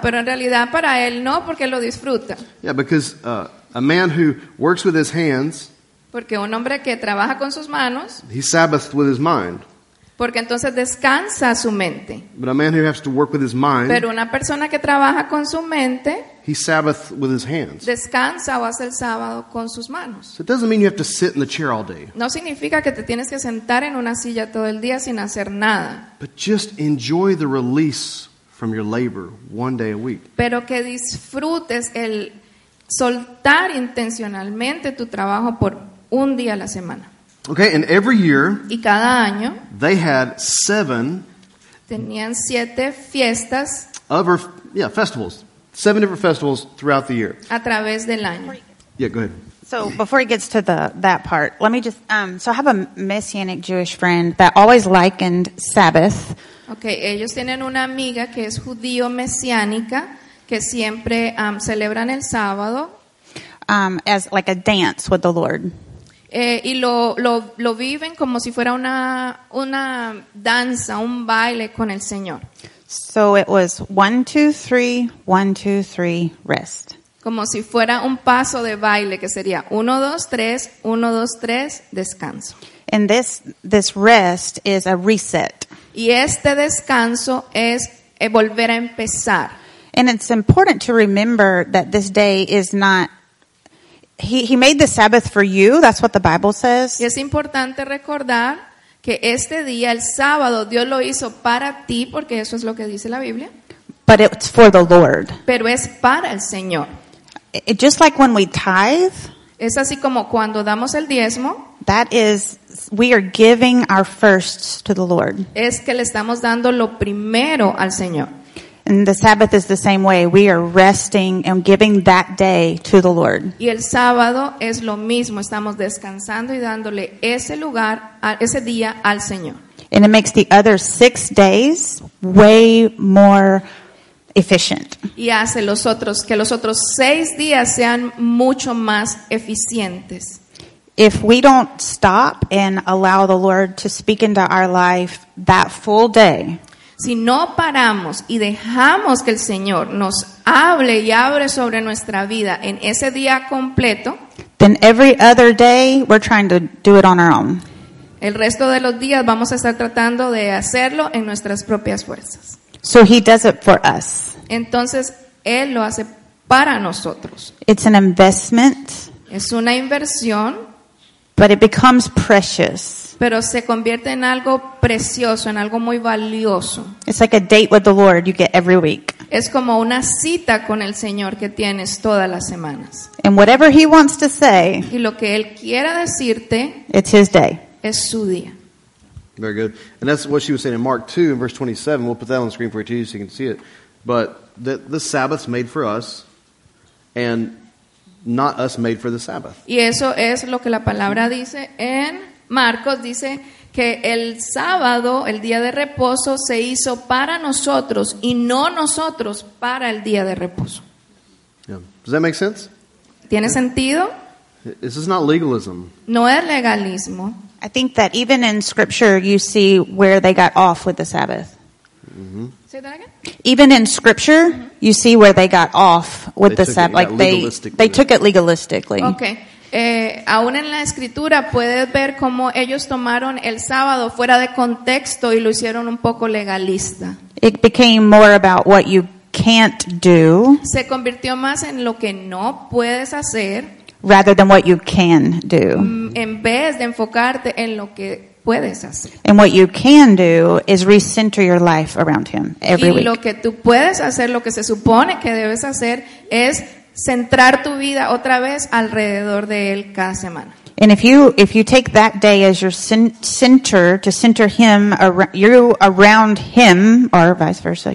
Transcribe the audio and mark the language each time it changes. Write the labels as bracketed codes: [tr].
[es] Pero en realidad para él no, porque lo disfruta. [en] Yeah, because a man who works with his hands. [es] Porque un hombre que trabaja con sus manos. [en] He sabbathed with his mind. [es] Porque entonces descansa su mente. [en] But a man who has to work with his mind. [es] Pero una persona que trabaja con su mente. [en] He sabbathed with his hands. [es] Descansa o hace el sábado con sus manos. [en] So it doesn't mean you have to sit in the chair all day. [es] No significa que te tienes que sentar en una silla todo el día sin hacer nada. [en] But just enjoy the release from your labor one day a week. [es] Pero que disfrutes el soltar intencionalmente tu trabajo por un día a la semana. [en] Okay, and every year, [es] y cada año, [en] they had seven. [es] Tenían siete fiestas. [en] Festivals. Seven different festivals throughout the year. [es] A través del año. [en] Yeah, go ahead. So before he gets to that part, let me just, I have a Messianic Jewish friend that always likened Sabbath. [es] Okay, ellos tienen una amiga que es judío mesiánica que siempre celebran el sábado. [en] As like a dance with the Lord. [es] Y lo viven como si fuera una danza, un baile con el Señor. [en] So it was 1, 2, 3, 1, 2, 3, rest. [es] Como si fuera un paso de baile que sería 1, 2, 3, 1, 2, 3, descanso. [en] And this rest is a reset. [es] Y este descanso es volver a empezar. [en] And it's important to remember that this day is not He made the Sabbath for you. That's what the Bible says. [es] Y es importante recordar que este día, el sábado, Dios lo hizo para ti, porque eso es lo que dice la Biblia. [en] But it's for the Lord. [es] Pero es para el Señor. [en] It, just like when we tithe. [es] Es así como cuando damos el diezmo. [en] That is, we are giving our firsts to the Lord. [es] Es que le estamos dando lo primero al Señor. [en] And the Sabbath is the same way. We are resting and giving that day to the Lord. [es] Y el sábado es lo mismo. Estamos descansando y dándole ese lugar, ese día al Señor. [en] And it makes the other 6 days way more efficient. [es] Y hace los otros, que los otros 6 días sean mucho más eficientes. [en] If we don't stop and allow the Lord to speak into our life that full day, [es] si no paramos y dejamos que el Señor nos hable y abre sobre nuestra vida en ese día completo, [en] then every other day we're trying to do it on our own. [es] El resto de los días vamos a estar tratando de hacerlo en nuestras propias fuerzas. [en] So he does it for us. [es] Entonces él lo hace para nosotros. [en] It's an investment. [es] Es una inversión. [en] But it becomes precious. [es] Pero se convierte en algo precioso, en algo muy valioso. [en] It's like a date with the Lord you get every week. [es] Es como una cita con el Señor que tienes todas las semanas. [en] And whatever he wants to say, [es] y lo que él quiera decirte, [en] it's his day. [es] Es su día. [en] Very good. And that's what she was saying in Mark 2 in verse 27. We'll put that on the screen for you too, so you can see it. But the Sabbath's made for us, and not us made for the Sabbath. [es] Y eso es lo que la palabra dice en Marcos, dice que el sábado, el día de reposo, se hizo para nosotros y no nosotros para el día de reposo. [en] Yeah. Does that make sense? [es] ¿Tiene sentido? [en] This is not legalism. [es] No es legalismo. [en] I think that even in scripture you see where they got off with the Sabbath. Mm-hmm. Say that again? Even in scripture, mm-hmm, you see where they got off with they the Sabbath. Like they took it legalistically. Okay. [es] Aún en la escritura puedes ver cómo ellos tomaron el sábado fuera de contexto y lo hicieron un poco legalista. [en] It became more about what you can't do. [es] Se convirtió más en lo que no puedes hacer. [en] Rather than what you can do. [es] En vez de enfocarte en lo que puedes hacer. [en] And what you can do is recenter your life around him every week. [es] Y lo que tú puedes hacer, lo que se supone que debes hacer, es centrar tu vida otra vez alrededor de él cada semana. [en] And if you take that day as your center, to center him, you around him, or vice versa.